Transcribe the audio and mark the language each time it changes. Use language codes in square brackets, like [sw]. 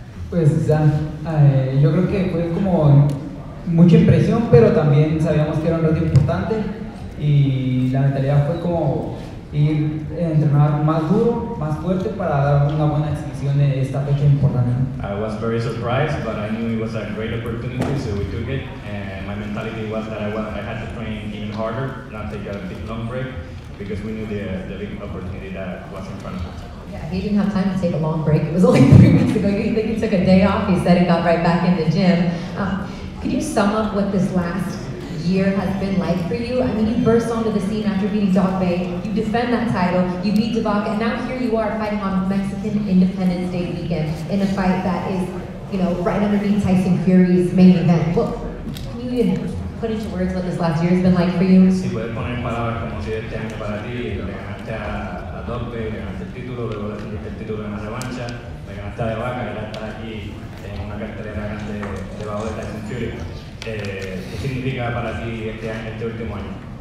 [es] Pues ya, yo creo que fue como mucha impresión, pero también sabíamos que era un reto importante y la mentalidad fue como ir a entrenar más duro, más fuerte para dar una buena exhibición de esta fecha importante. [en] I was very surprised, but I knew it was a great opportunity, so we took it. And my mentality was that I had to train even harder, not take a big long break, because we knew the big opportunity that was in front of us. Yeah, he didn't have time to take a long break. It was only 3 weeks ago. You think he took a day off? He said he got right back in the gym. Could you sum up what this last year has been like for you? I mean, you burst onto the scene after beating Doc Bay. You defend that title. You beat Devaca. And now here you are fighting on Mexican Independence Day weekend in a fight that is, you know, right underneath Tyson Fury's main event. Well, can you even put into words what this last year has been like for you? [es] Si puedes poner palabras como si este año para ti, me ganaste a tope, me ganaste el título, luego le ganaste el título en la revancha, me ganaste a De Vaca, que ya está aquí en una cartelera grande debajo de Tyson Fury. ¿Qué significa para ti este año, este último año?